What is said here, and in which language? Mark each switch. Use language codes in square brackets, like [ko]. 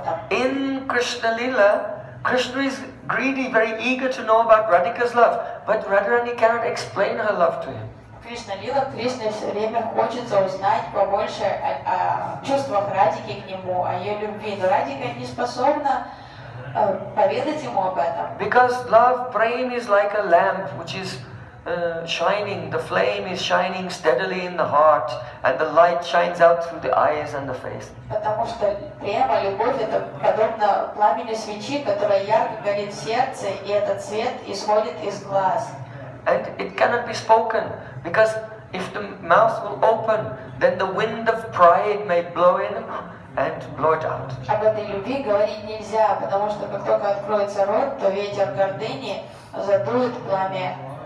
[en] In Krishna Lila, Krishna is greedy, very eager to know about Radhika's love, but Radharani cannot explain her love to him. [ru] Krishna Lila, Krishna все время хочется узнать побольше о чувствах Радики к нему, о ее любви, но Радика не способна поведать ему об этом. [en] Because love, prema, is like a lamp, which is shining, the flame is shining steadily in the heart, and the light shines out through the eyes and the face. [ru] Потому что прямо любовь это подобно пламени свечи, которая ярко горит в сердце, и этот свет исходит из глаз. [en] And it cannot be spoken, because if the mouth will open, then the wind of pride may blow in and blow it out. [ru] Об этой любви говорить нельзя, потому что как только откроется рот, то ветер гордыни задует пламя.